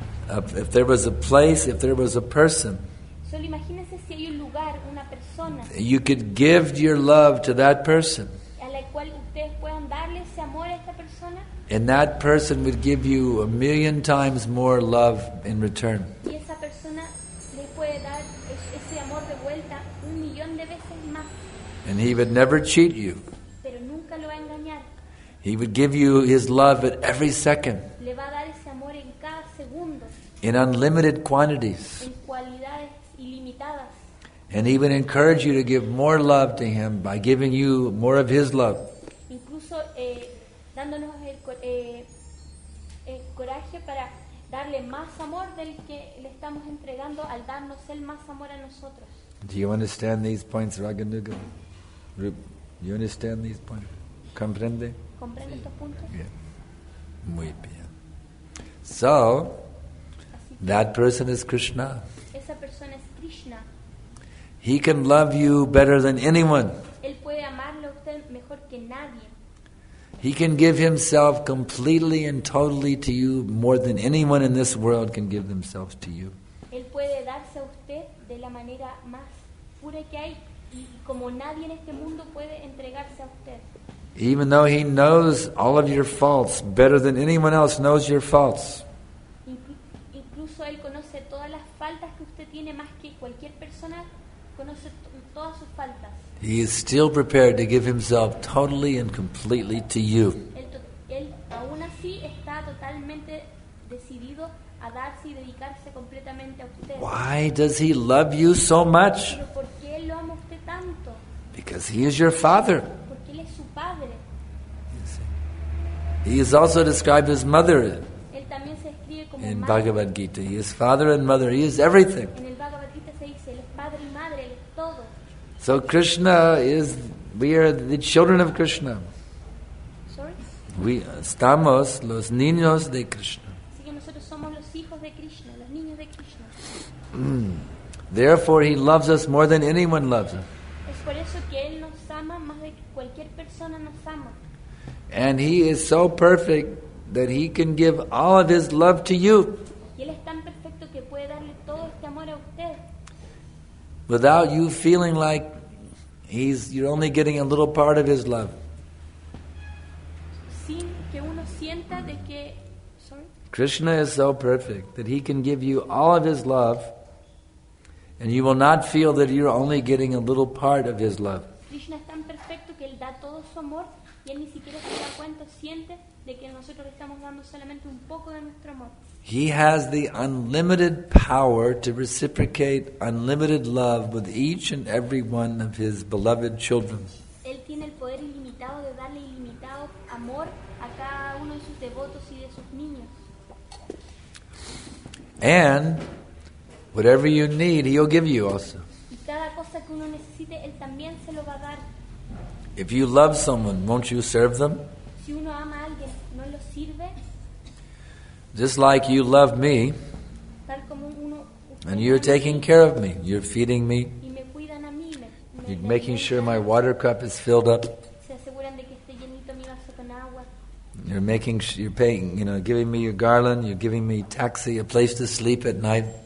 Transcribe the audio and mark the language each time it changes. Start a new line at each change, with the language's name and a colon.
English: If there was a place, if there was a person,
Spanish: solo imagínese si hay un lugar, una persona,
English: you could give your love to that person,
Spanish: a la cual ustedes puedan darle ese amor a esta persona,
English: and that person would give you a million times more love in return.
Spanish: Y esa persona le puede dar ese amor de vuelta un millón de veces más.
English: And he would never cheat you.
Spanish: Pero nunca lo va a engañar.
English: He would give you his love at every second.
Spanish: Le va a dar ese amor en cada segundo.
English: In unlimited quantities.
Spanish: En cualidades ilimitadas.
English: And he would encourage you to give more love to him by giving you more of his love.
Spanish: Incluso dándonos el coraje para darle más amor del que le estamos entregando al darnos él más amor a nosotros.
English: Do you understand these points, Raganuga? Do you understand these points?
Spanish: Comprende? Comprende estos puntos?
English: Yeah.
Spanish: Muy bien.
English: So, that person is Krishna.
Spanish: Esa persona es Krishna.
English: He can love you better than anyone.
Spanish: Él puede amarlo a usted mejor que nadie.
English: He can give himself completely and totally to you more than anyone in this world can give themselves to you.
Spanish: Él puede darse a usted de la manera más pura que hay y como nadie en este mundo puede entregarse a usted.
English: Even though he knows all of your faults better than anyone else knows your faults.
Spanish: Incluso él conoce todas las faltas que usted tiene más que cualquier persona conoce todas sus faltas.
English: He is still prepared to give himself totally and completely to you.
Spanish: Él aún así está totalmente decidido a darse y dedicarse completamente a usted.
English: Why does he love you so much?
Spanish: Pero ¿por qué lo ama usted tanto?
English: Because he is your father.
Spanish: Porque él es su padre.
English: He is also described as mother.
Spanish: Él también se describe como
English: in
Spanish: madre.
English: Bhagavad Gita. He is father and mother. He is everything.
Spanish: En el Bhagavad Gita se dice, él es padre y madre, él es todo.
English: So Krishna is, we are the children of Krishna. Sorry? We
Spanish: estamos los niños de Krishna. Así que nosotros somos los hijos de Krishna, los niños de Krishna.
English: Therefore he loves us more than anyone loves us.
Spanish: Es por eso que él nos ama más de que cualquier persona nos ama.
English: And he is so perfect that he can give all of his love to you.
Spanish: Y él es tan perfecto que puede darle todo este amor a usted.
English: Without you feeling like he's, you're only getting a little part of his love.
Spanish: Sin que uno sienta de que,
English: sorry. Krishna is so perfect that he can give you all of his love, and you will not feel that you're only getting a little part of his love.
Spanish: Krishna es tan perfecto que él da todo su amor y él ni siquiera se da cuenta, siente de que nosotros le estamos dando solamente un poco de nuestro amor.
English: He has the unlimited power to reciprocate unlimited love with each and every one of his beloved children.
Spanish: Él tiene el poder ilimitado de darle ilimitado amor a cada uno de sus devotos y de sus niños.
English: And whatever you need, he'll give you also.
Spanish: Y cada cosa que uno necesite, él también se lo va a dar.
English: If you love someone, won't you serve them?
Spanish: Si uno ama a alguien, ¿no lo sirve?
English: Just like you love me,
Spanish: tal como uno,
English: and you're taking care of me, you're feeding me,
Spanish: y me cuidan a mí, me
English: you're making sure my water cup is filled up,
Spanish: se aseguran de que esté llenito mi vaso con agua.
English: You're making, you're paying, you know, giving me your garland, you're giving me taxi, a place to sleep at night.